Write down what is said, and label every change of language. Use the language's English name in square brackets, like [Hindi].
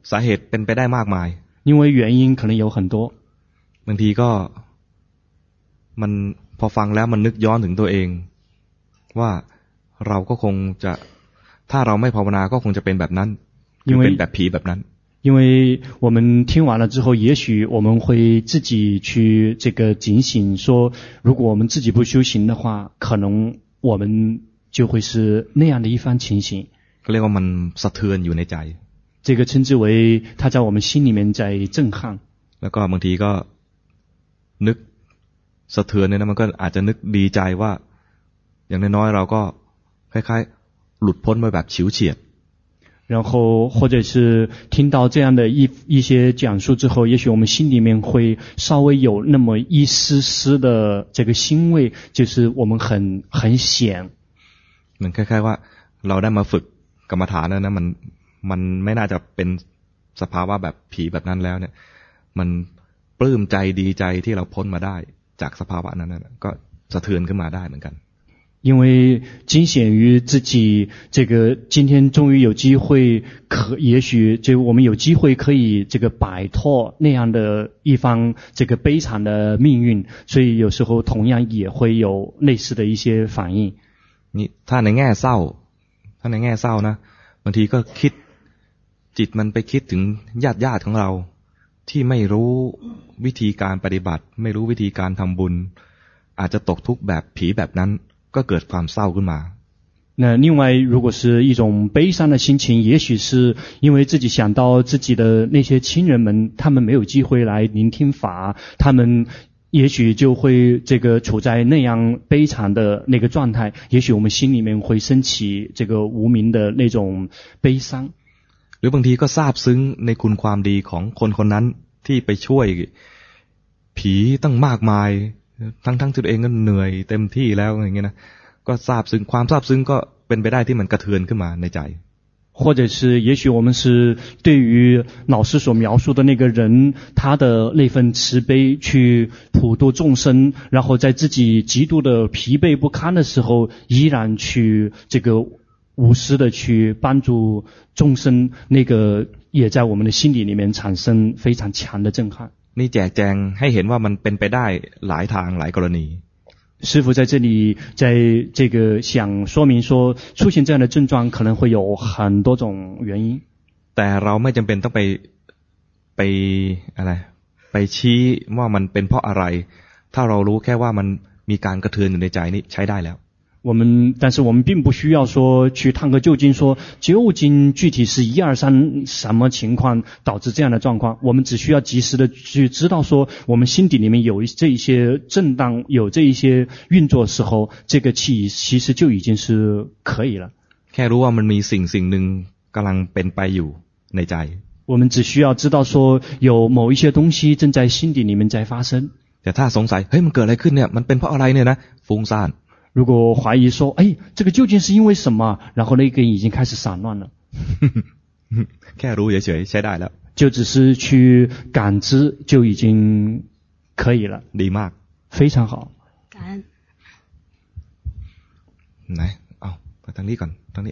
[Thai] สาเหตุเป็นไปได้มากมาย [Chinese] 因为原因可能有很多 [Thai] บางทีก็มันพอฟังแล้วมันนึกย้อนถึงตัวเองว่าเราก็คงจะถ้าเราไม่ภาวนาก็คงจะเป็นแบบนั้นคือเป็นแบบผีแบบนั้น [Chinese] 因为我们听完了之后，也许我们会自己去这个警醒，说如果我们自己不修行的话，可能我们就会是那样的一番情形。 [Thai] เรียกว่ามันสะเทือนอยู่ในใจ。 [Chinese] 这个称之为它在我们心里面在震撼。 [Thai] แล้วก็บางทีก็นึกสะเทือนเนี่ยนะมันก็อาจจะนึกดีใจว่าอย่างน้อยๆเราก็คล้ายๆหลุดพ้นไปแบบฉิวเฉียด [Chinese] 然后或者是听到这样的一些讲述之后，也许我们心里面会稍微有那么一丝丝的这个欣慰，就是我们很险。 [Thai] เหมือนคล้ายๆว่าเราได้มาฝึกกรรมฐานแล้วนะมันไม่น่าจะเป็นสภาวะแบบผีแบบนั้นแล้วเนี่ยมันปลื้มใจดีใจที่เราพ้นมาได้จากสภาวะนั้นก็สะเทือนขึ้นมาได้เหมือนกัน [Chinese] 因为惊险于自己这个今天终于有机会也许就我们有机会可以这个摆脱那样的一方这个悲惨的命运所以有时候同样也会有类似的一些反应 [Thai] 你ถ้าในแง่เศร้าถ้าในแง่เศร้านะบางทีก็คิดจิตมันไปคิดถึงญาติญาติของเราที่ไม่รู้วิธีการปฏิบัติไม่รู้วิธีการทำบุญอาจจะตกทุกข์แบบผีแบบนั้นก็เกิดความเศร้าขึ้นมา [Chinese] 那另外如果是一种悲伤的心情也许是因为自己想到自己的那些亲人们他们没有机会来聆听法他们也许就会这个处在那样悲惨的那个状态也许我们心里面会升起这个无名的那种悲伤 [Thai] หรือบางทีก็ซาบซึ้งในคุณความดีของคนคนนั้นที่ไปช่วยผีตั้งมากมายทั้งตัวเองก็เหนื่อยเต็มที่แล้วอย่างเงี้ยนะก็ซาบซึ้งความซาบซึ้งก็เป็นไปได้ที่มันกระเทือนขึ้นมาในใจ [Chinese] 或者是也许我们是对于老师所描述的那个人他的那份慈悲去普度众生然后在自己极度的疲惫不堪的时候依然去这个无私的去帮助众生那个也在我们的心理里面产生非常强的震撼 [Thai] นี่แจกแจงให้เห็นว่ามันเป็นไปได้หลายทางหลายกรณี [Chinese] 师父在这里在这个想说明说出现这样的症状可能会有很多种原因 [Thai] แต่เราไม่จำเป็นต้องไปอะไรไปชี้ว่ามันเป็นเพราะอะไรถ้าเรารู้แค่ว่ามันมีการกระเทือนอยู่ในใจนี่ใช้ได้แล้ว [Chinese] 但是我们并不需要说去探个究竟说究竟具体是一二三什么情况导致这样的状况我们只需要及时的去知道说我们心底里面有这一些震荡有这一些运作时候这个气其实就已经是可以了 [Thai] แค่รู้ว่ามันมีสิ่งหนึ่งกำลังเป็นไปอยู่ในใจ [Chinese] 我们只需要知道说有某一些东西正在心底里面在发生 [Thai] แต่ถ้าสงสัยเฮ้ยมันเกิดอะไรขึ้นเนี่ยมันเป็นเพราะอะไรเนี่ยนะฟุ้งซ่าน [Chinese] 如果怀疑说，哎，这个究竟是因为什么？然后那个已经开始散乱了。 [Thai] แค่รู้เฉยๆใช้ได้แล้ว。 [Chinese] 就只是去感知就已经可以了。 [Thai] ดีมาก [Chinese] 非常好。感恩。来， [Thai] 哦，ไปทางนี้ก่อน，ทางนี